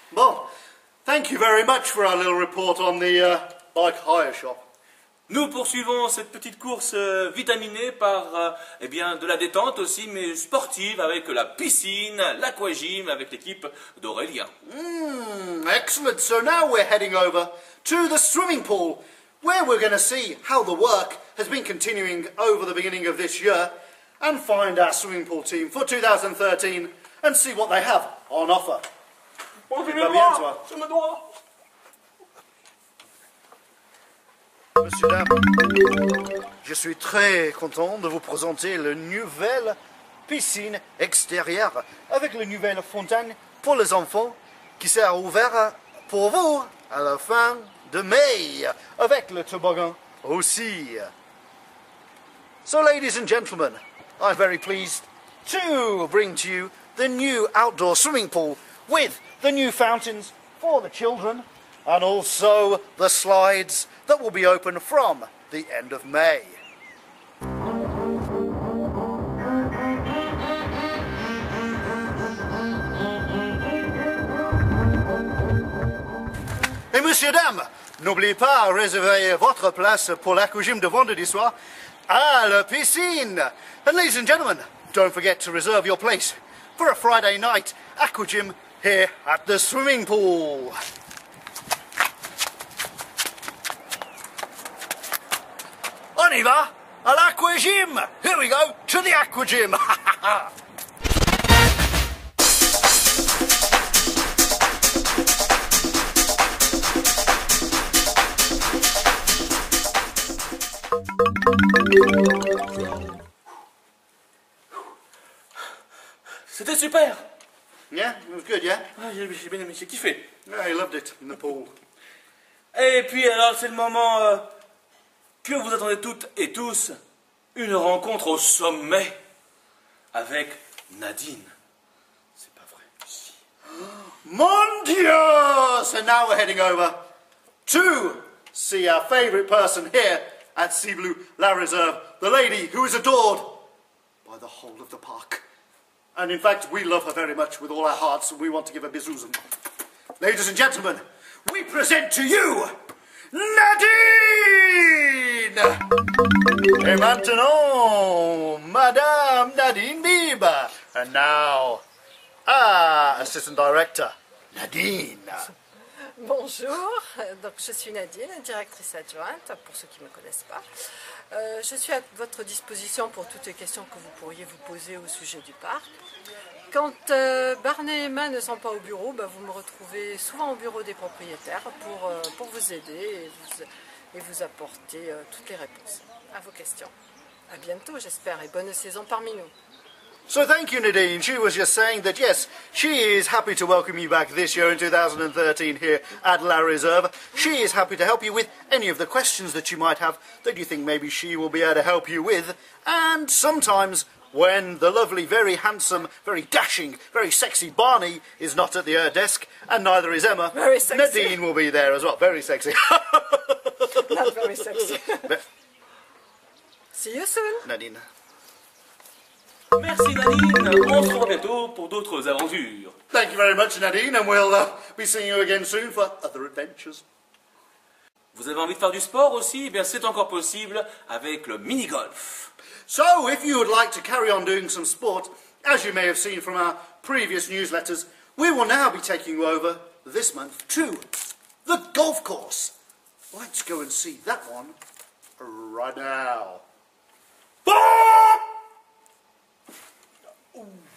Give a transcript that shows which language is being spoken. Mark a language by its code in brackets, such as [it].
[en] Bon, thank you very much for our little report on the bike hire shop. [fr] Nous poursuivons cette petite course vitaminée par de la détente aussi, mais sportive, avec la piscine, l'aquagym, avec l'équipe d'Aurélien. Excellent. [en] So now we're heading over to the swimming pool, where we're going to see how the work has been continuing over the beginning of this year, and find our swimming pool team for 2013. And see what they have on offer. [fr] Monsieur, dame, je suis très content de vous présenter la nouvelle piscine extérieure avec la nouvelle fontaine pour les enfants qui sera ouverte pour vous à la fin de mai avec le toboggan aussi. [en] So, ladies and gentlemen, I'm very pleased to bring to you the new outdoor swimming pool with the new fountains for the children and also the slides that will be open from the end of May. [fr] Et monsieur, dame, n'oubliez pas de réserver votre place pour l'aquagym de vendredi soir à la piscine. [en] And ladies and gentlemen, don't forget to reserve your place for a Friday night aquagym here at the swimming pool. [fr] On y va, à l'aquagym. [en] Here we go, to the aquagym. [fr] C'était super! [en] Yeah, it was good, yeah? [fr] Ah, j'ai kiffé! [en] Yeah, I loved it, in the pool. [fr] Et puis alors, c'est le moment que vous attendez toutes et tous, une rencontre au sommet avec Nadine. C'est pas vrai. Si. Mon Dieu! [en] So now we're heading over to see our favorite person here at Sea Blue La Reserve, the lady who is adored by the whole of the park. And in fact, we love her very much with all our hearts, and we want to give her bisous. Ladies and gentlemen, we present to you, Nadine! [fr] Et maintenant, Madame Nadine Bieber. [en] And now, Assistant Director, Nadine. [fr] Bonjour, donc je suis Nadine, directrice adjointe, pour ceux qui ne me connaissent pas. Je suis à votre disposition pour toutes les questions que vous pourriez vous poser au sujet du parc. Quand Barney et Emma ne sont pas au bureau, bah vous me retrouvez souvent au bureau des propriétaires pour vous aider et vous apporter toutes les réponses à vos questions. À bientôt, j'espère, et bonne saison parmi nous. [en] So thank you, Nadine. She was just saying that yes, she is happy to welcome you back this year in 2013 here at La Reserve. She is happy to help you with any of the questions that you might have that you think maybe she will be able to help you with. And sometimes when the lovely, very handsome, very dashing, very sexy Barney is not at the desk, and neither is Emma, very sexy. Nadine will be there as well. Very sexy. Not very sexy. See you soon. Nadine. [fr] Merci Nadine, on se revoit bientôt pour d'autres aventures. [en] Thank you very much Nadine, and we'll be seeing you again soon for other adventures. [fr] Vous avez envie de faire du sport aussi? Eh bien c'est encore possible avec le mini-golf. [en] So, if you would like to carry on doing some sport, as you may have seen from our previous newsletters, we will now be taking you over this month to the golf course. Let's go and see that one right now. Boom!